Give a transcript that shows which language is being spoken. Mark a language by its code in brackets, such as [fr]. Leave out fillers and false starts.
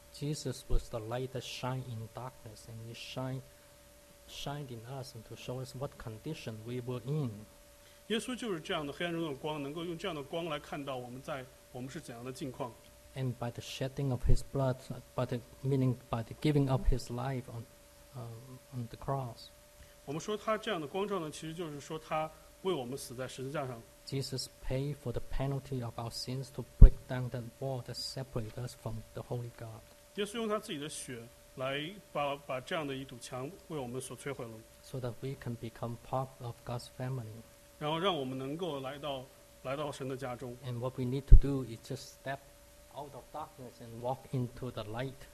[en] Jesus was the light that shined in darkness, and He shined in us and to show us what condition we were in. [zh] 耶稣就是这样的黑暗中的光，能够用这样的光来看到我们是怎样的境况。 [en] And by the shedding of His blood, by the giving of His life on the cross. [zh] 我们说他这样的光照呢，其实就是说他为我们死在十字架上。 [en] Jesus paid for the penalty of our sins to break down the wall that separates us from the Holy God. [zh] 耶稣用他自己的血来把这样的一堵墙为我们所摧毁了。 [en] So that we can become part of God's family. [zh] 然后让我们能够来到神的家中。 [en] And what we need to do is just step out of darkness and walk into the light.